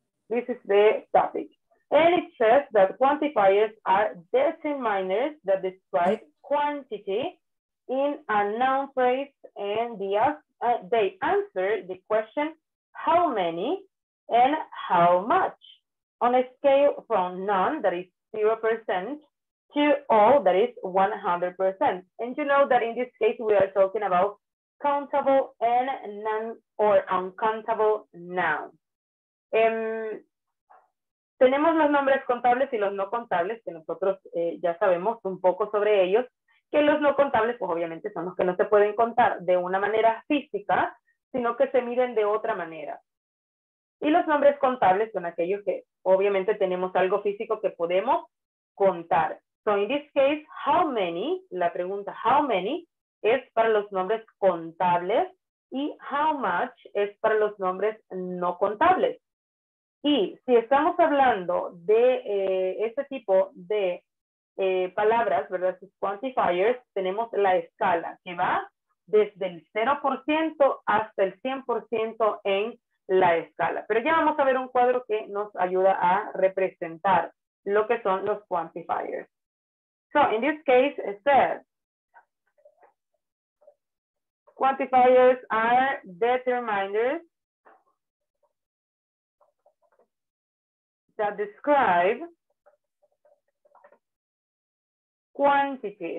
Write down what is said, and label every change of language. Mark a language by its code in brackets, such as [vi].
[en] This is the topic. And it says that quantifiers are determiners that describe quantity in a noun phrase, and they answer the question how many and how much on a scale from none, that is 0%, to all, that is 100%. And you know that in this case we are talking about countable and non or uncountable nouns. [es] Tenemos los nombres contables y los no contables, que nosotros ya sabemos un poco sobre ellos, que los no contables, pues obviamente son los que no se pueden contar de una manera física, sino que se miden de otra manera. Y los nombres contables son aquellos que obviamente tenemos algo físico que podemos contar. [en] So in this case, how many, [es] la pregunta how many, es para los nombres contables, y how much es para los nombres no contables. Y si estamos hablando de este tipo de palabras, ¿verdad? Sus quantifiers, tenemos la escala que va desde el 0% hasta el 100% en la escala. Pero ya vamos a ver un cuadro que nos ayuda a representar lo que son los quantifiers. [en] So, in this case, it says, quantifiers are determiners that describe quantity.